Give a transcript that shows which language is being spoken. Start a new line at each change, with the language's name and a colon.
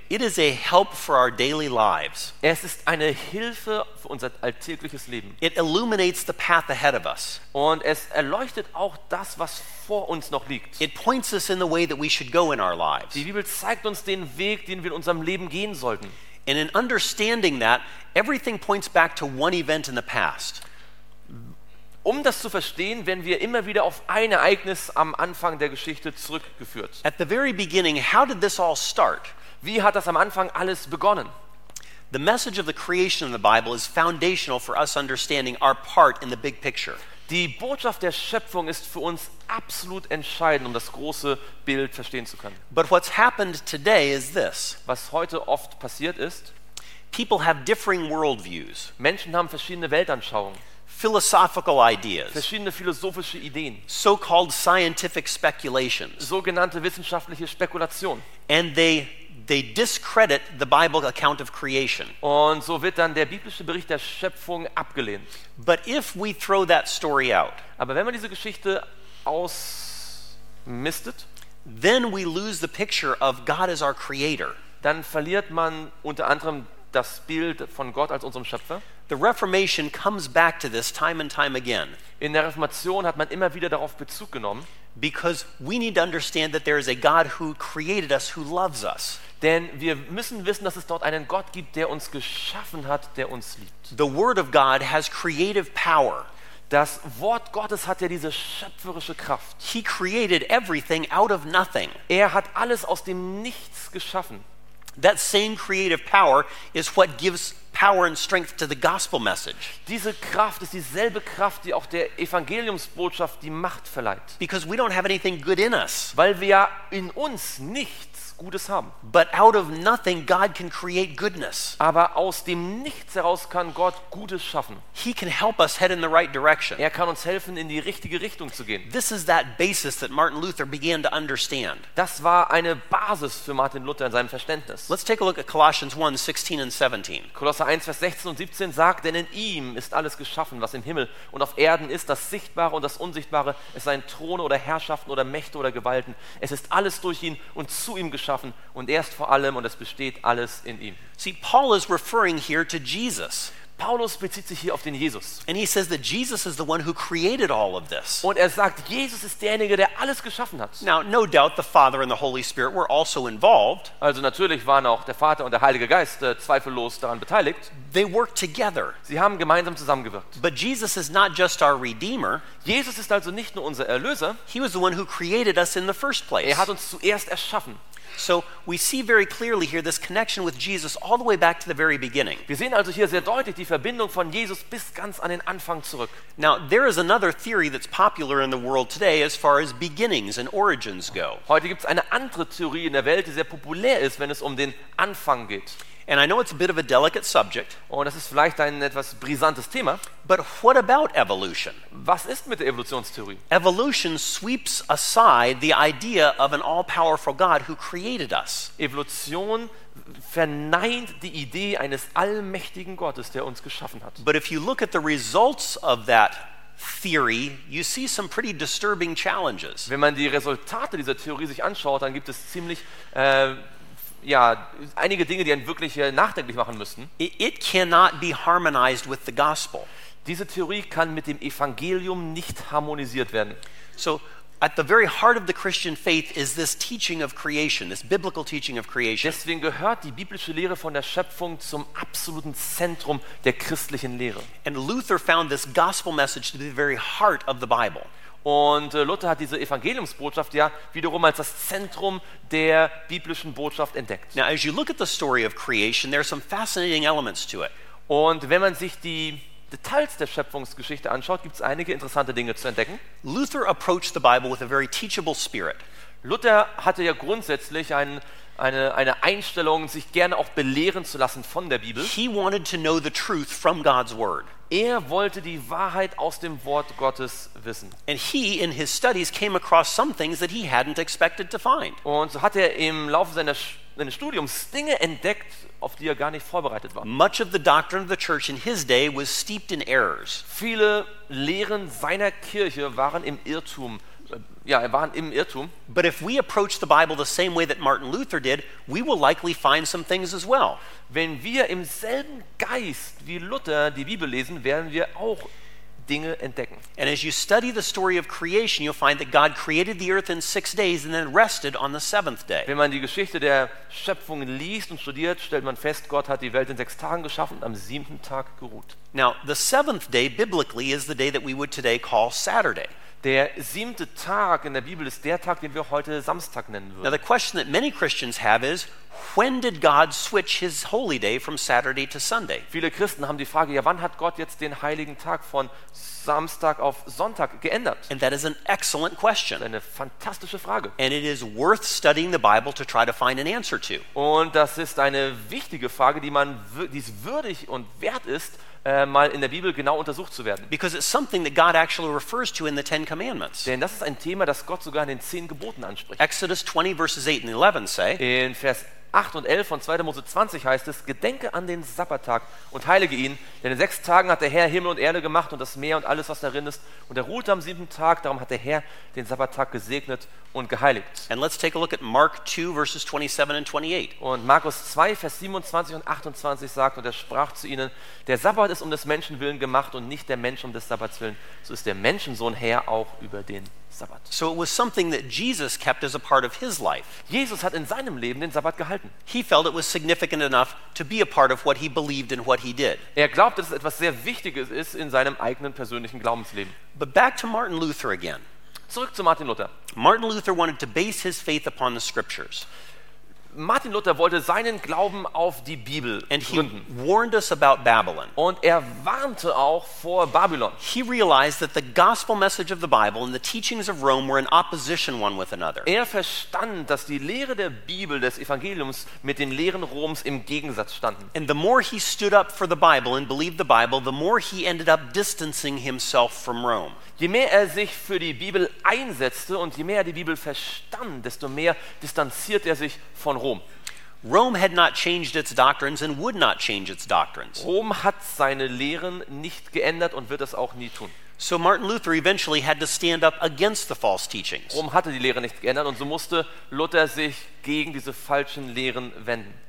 English: It is a help for our daily lives.
German: Es ist eine Hilfe für unser alltägliches Leben.
English: It illuminates the path ahead of us.
German: Und es erleuchtet auch das, was vor uns noch liegt.
English: It points us in the way that we should go in our lives.
German: Die Bibel zeigt uns den Weg, den wir in unserem Leben gehen sollten.
English: And in understanding that, everything points back to one event in the past.
German: Um das zu verstehen, werden wir immer wieder auf ein Ereignis am Anfang der Geschichte zurückgeführt.
English: At the very beginning, how did this all start?
German: Wie hat das am Anfang alles begonnen?
English: The message of the creation in the Bible is foundational for us understanding our part in the big picture.
German: Die Botschaft der Schöpfung ist für uns absolut entscheidend, um das große Bild verstehen zu können.
English: But what's happened today is this.
German: Was heute oft passiert ist,
English: people have differing worldviews.
German: Menschen haben verschiedene Weltanschauungen.
English: Philosophical ideas.
German: Verschiedene philosophische Ideen.
English: So-called scientific speculations.
German: Sogenannte wissenschaftliche Spekulationen.
English: And they discredit the Bible account of creation.
German: Und so wird dann der biblische Bericht der Schöpfung abgelehnt.
English: But if we throw that story out,
German: aber wenn man diese Geschichte ausmistet,
English: then we lose the picture of God as our creator.
German: Dann verliert man unter anderem das Bild von Gott als unserem Schöpfer.
English: The Reformation comes back to this time and time again.
German: In der Reformation hat man immer wieder darauf Bezug genommen.
English: Because we need to understand that there is a God who created us, who loves us.
German: Denn wir müssen wissen, dass es dort einen Gott gibt, der uns geschaffen hat, der uns liebt.
English: The Word of God has creative power.
German: Das Wort Gottes hat ja diese schöpferische Kraft.
English: He created everything out of nothing.
German: Er hat alles aus dem Nichts geschaffen.
English: That same creative power is what gives power and strength to the gospel message.
German: Diese Kraft ist dieselbe Kraft, die auch der Evangeliumsbotschaft die Macht verleiht.
English: Because we don't have anything good in us.
German: Weil wir in uns nichts Gutes haben.
English: But out of nothing God can create goodness.
German: Aber aus dem Nichts heraus kann Gott Gutes schaffen.
English: He can help us head in the right direction.
German: Er kann uns helfen, in die richtige Richtung zu gehen.
English: This is that basis that Martin Luther began to understand.
German: Das war eine Basis für Martin Luther in seinem Verständnis.
English: Let's take a look at Colossians 1:16 and 17.
German: Kolosser 1, Vers 16 und 17 sagt, denn in ihm ist alles geschaffen, was im Himmel und auf Erden ist, das Sichtbare und das Unsichtbare, es seien Throne oder Herrschaften oder Mächte oder Gewalten. Es ist alles durch ihn und zu ihm geschaffen und er ist vor allem und es besteht alles in ihm.
English: See, Paul is referring here to Jesus.
German: Paulus bezieht sich hier auf den Jesus.
English: And he says that Jesus is the one who created all of this.
German: Und er sagt, Jesus ist derjenige, der alles geschaffen hat.
English: Now, no doubt the Father and the Holy Spirit were also involved.
German: Also natürlich waren auch der Vater und der Heilige Geist zweifellos daran beteiligt.
English: They worked together.
German: Sie haben gemeinsam zusammengewirkt.
English: But Jesus is not just our Redeemer.
German: Jesus ist also nicht nur unser Erlöser.
English: He was the one who created us in the first place.
German: Er hat uns zuerst erschaffen.
English: So we see very clearly here this connection with Jesus all the way back to the very beginning.
German: Wir sehen also hier sehr deutlich die Verbindung von Jesus bis ganz an den Anfang zurück.
English: Now there is another theory that's popular in the world today as far as beginnings and origins go.
German: Heute gibt's eine andere Theorie in der Welt, die sehr populär ist, wenn es um den Anfang geht.
English: And I know it's a bit of a delicate subject.
German: Oh, das ist vielleicht ein etwas brisantes Thema.
English: But what about evolution?
German: Was ist mit der Evolutionstheorie?
English: Evolution sweeps aside the idea of an all-powerful God who created us.
German: Evolution verneint die Idee eines allmächtigen Gottes, der uns geschaffen hat.
English: But if you look at the results of that theory, you see some pretty disturbing challenges.
German: Wenn man die Resultate dieser Theorie sich anschaut, dann gibt es ziemlich einige Dinge, die einen wirklich nachdenklich machen müssten.
English: It cannot be harmonized with the gospel.
German: Diese Theorie kann mit dem Evangelium nicht harmonisiert werden.
English: So, at the very heart of the Christian faith is this teaching of creation, this biblical teaching of creation.
German: Deswegen gehört die biblische Lehre von der Schöpfung zum absoluten Zentrum der christlichen Lehre.
English: And Luther found this gospel message to be the very heart of the Bible.
German: Und Luther hat diese Evangeliumsbotschaft ja wiederum als das Zentrum der biblischen Botschaft entdeckt.
English: Now, as you look at the story of creation, there are some fascinating elements to it.
German: Und wenn man sich die Details der Schöpfungsgeschichte anschaut, gibt es einige interessante Dinge zu entdecken.
English: Luther approached the Bible with a very teachable spirit.
German: Luther hatte ja grundsätzlich eine Einstellung, sich gerne auch belehren zu lassen von der Bibel.
English: He wanted to know the truth from God's word.
German: Er wollte die Wahrheit aus dem Wort Gottes wissen.
English: And he in his studies came across some things that he hadn't expected to find.
German: Und so hat er im Laufe seines Studiums Dinge entdeckt, auf die er gar nicht vorbereitet war.
English: Much of the doctrine of the church in his day was steeped in errors.
German: Viele Lehren seiner Kirche waren im Irrtum. Ja, er war im Irrtum.
English: But if we approach the Bible the same way that Martin Luther did, we will likely find some things as well.
German: Wenn wir im selben Geist wie Luther die Bibel lesen, werden wir auch Dinge entdecken.
English: And as you study the story of creation, you'll find that God created the earth in 6 days and then rested on the seventh day.
German: Wenn man die Geschichte der Schöpfung liest und studiert, stellt man fest, Gott hat die Welt in 6 Tagen geschaffen und am siebten Tag geruht.
English: Now, the seventh day biblically is the day that we would today call Saturday.
German: Der siebte Tag in der Bibel ist der Tag, den wir heute Samstag nennen würden.
English: Now the question that many Christians have is, when did God switch his holy day from Saturday to Sunday?
German: Viele Christen haben die Frage, ja, wann hat Gott jetzt den heiligen Tag von Samstag auf Sonntag geändert?
English: And that is an excellent question.
German: Eine fantastische Frage.
English: And it is worth studying the Bible to try to find an answer to.
German: Und das ist eine wichtige Frage, die es würdig und wert ist, mal in der Bibel genau untersucht zu werden.
English: Because it's something that God actually refers to in the Ten Commandments.
German: Denn das ist ein Thema, das Gott sogar in den Zehn Geboten anspricht.
English: Exodus 20 verses 8 and 11 say.
German: In Vers 8 und 11 von 2. Mose 20 heißt es: Gedenke an den Sabbattag und heilige ihn, denn in 6 Tagen hat der Herr Himmel und Erde gemacht und das Meer und alles, was darin ist, und er ruhte am 7. Tag, darum hat der Herr den Sabbattag gesegnet und geheiligt.
English: And let's take a look at Mark 2 verses 27 and 28.
German: Und Markus 2 Vers 27 und 28 sagt: Und er sprach zu ihnen: Der Sabbat ist um des Menschen willen gemacht und nicht der Mensch um des Sabbats willen, so ist der Menschensohn Herr auch über den Sabbat.
English: So it was something that Jesus kept as a part of his life.
German: Jesus hat in seinem Leben den Sabbat gehalten.
English: He felt it was significant enough to be a part of what he believed and what he did.
German: Er glaubt, dass es etwas sehr Wichtiges ist in seinem eigenen persönlichen Glaubensleben.
English: But back to Martin Luther again.
German: Zurück zu Martin Luther.
English: Martin Luther wanted to base his faith upon the scriptures.
German: Martin Luther wollte seinen Glauben auf die Bibel
English: and he
German: gründen.
English: Warned us about Babylon.
German: Und er warnte auch vor Babylon.
English: He realized that the gospel message of the Bible and the teachings of Rome were in opposition one with another.
German: Er verstand, dass die Lehre der Bibel des Evangeliums mit den Lehren Roms im Gegensatz standen.
English: And the more he stood up for the Bible and believed the Bible, the more he ended up distancing himself from Rome.
German: Je mehr er sich für die Bibel einsetzte und je mehr er die Bibel verstand, desto mehr distanziert er sich von Rom.
English: Rome had not changed its doctrines and would not change its doctrines.
German: Rom hat seine Lehren nicht geändert und wird es auch nie tun.
English: So Martin Luther eventually had to stand up against the false teachings.
German: Rom hatte die Lehre nicht geändert und so musste Luther sich gegen diese falschen Lehren wenden.